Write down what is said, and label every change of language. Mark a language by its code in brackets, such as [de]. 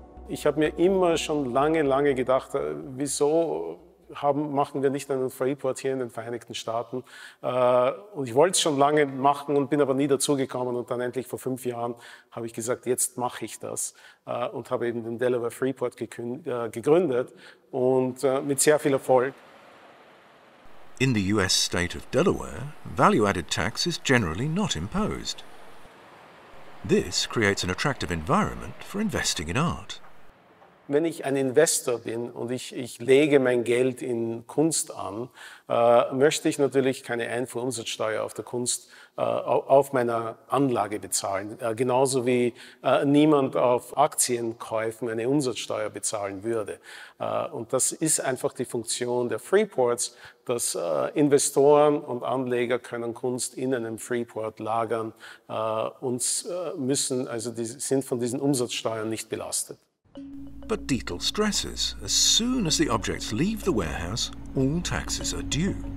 [de] Ich habe mir immer schon lange, lange gedacht, wieso machen wir nicht einen Freeport hier in den Vereinigten Staaten? Und ich wollte es schon lange machen und bin aber nie dazugekommen. Und dann endlich vor 5 Jahren habe ich gesagt, jetzt mache ich das und habe eben den Delaware Freeport gegründet und mit sehr viel Erfolg. [en] In the US state of Delaware, value-added tax is generally not imposed. This creates an attractive environment for investing in art. [de] Wenn ich ein Investor bin und ich lege mein Geld in Kunst an, möchte ich natürlich keine Einfuhrumsatzsteuer auf der Kunst auf meiner Anlage bezahlen. Genauso wie niemand auf Aktienkäufen eine Umsatzsteuer bezahlen würde. Und das ist einfach die Funktion der Freeports, dass Investoren und Anleger können Kunst in einem Freeport lagern und müssen, also die sind von diesen Umsatzsteuern nicht belastet. [en] But Dietl stresses, as soon as the objects leave the warehouse, all taxes are due.